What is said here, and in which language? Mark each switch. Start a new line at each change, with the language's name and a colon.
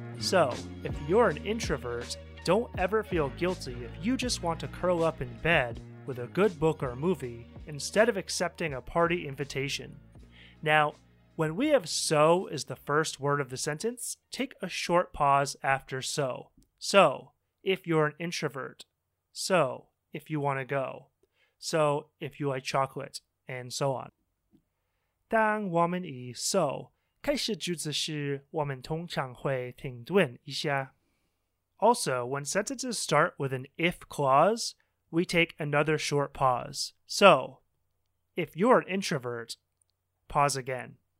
English: So, if you're an introvert, don't ever feel guilty if you just want to curl up in bed with a good book or movie instead of accepting a party invitation. Now, when we have so as the first word of the sentence, take a short pause after so. So, if you're an introvert. So, if you want to go. So, if you like chocolate. And so on.
Chinese: 当我们以so 开始句子时，我们通常会停顿一下。
English: Also, when sentences start with an if clause, we take another short pause. So, if you're an introvert, pause again.